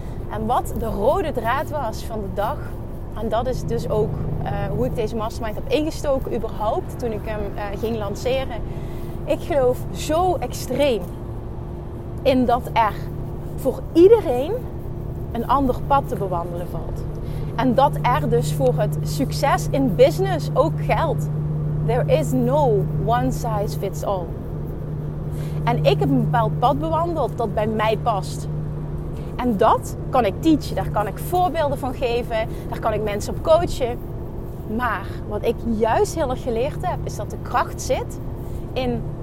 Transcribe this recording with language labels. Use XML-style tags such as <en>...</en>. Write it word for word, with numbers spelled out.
<nl>En wat de rode draad was van de dag... En dat is dus ook uh, hoe ik deze mastermind heb ingestoken überhaupt. Toen ik hem uh, ging lanceren. Ik geloof zo extreem in dat er voor iedereen... een ander pad te bewandelen valt. En dat er dus voor het succes in business ook geldt.</nl> <en>There is no one size fits all.</en> <nl>En ik heb een bepaald pad bewandeld dat bij mij past. En dat kan ik teachen. Daar kan ik voorbeelden van geven. Daar kan ik mensen op coachen. Maar wat ik juist heel erg geleerd heb, is dat de kracht zit in...</nl>